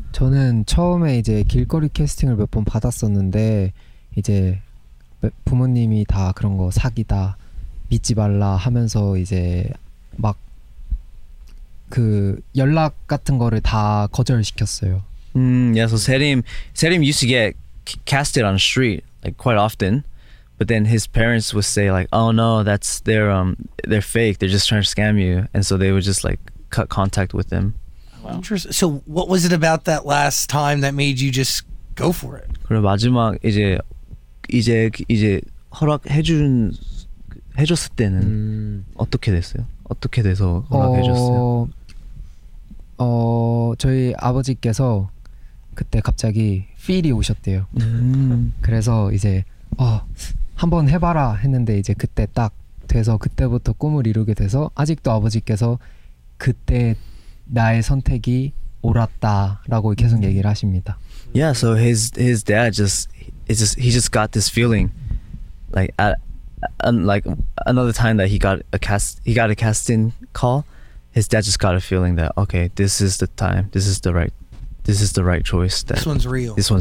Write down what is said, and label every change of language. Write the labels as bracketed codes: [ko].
[ko] 저는 처음에 이제 길거리 캐스팅을 몇 번 받았었는데 이제 부모님이 다 그런 거 사기다 믿지 말라 하면서 이제 막 그 연락 같은 거를 다 거절시켰어요. [en] Yeah, so Serim used to get casted on the street like quite often, but then his parents would say like, oh no, that's they're fake, they're just trying to scam you, and so they would just like cut contact with him. Wow. Interesting. So what was it about that last time that made you just go for it? [ko] 그럼 마지막 이제 허락해준 해줬을 때는 어떻게 됐어요? 어떻게 돼서 허락해줬어요? 저희 아버지께서 그때 갑자기 필이 오셨대요. 그래서 이제 한번 해봐라 했는데 이제 그때 딱 돼서 그때부터 꿈을 이루게 돼서 아직도 아버지께서 그때 나의 선택이 옳았다라고 계속 얘기를 하십니다. [en] Yeah, so his dad just got this feeling like another time that he got a casting call. His dad just got a feeling that okay, this is the time. This is the right choice. This one's real.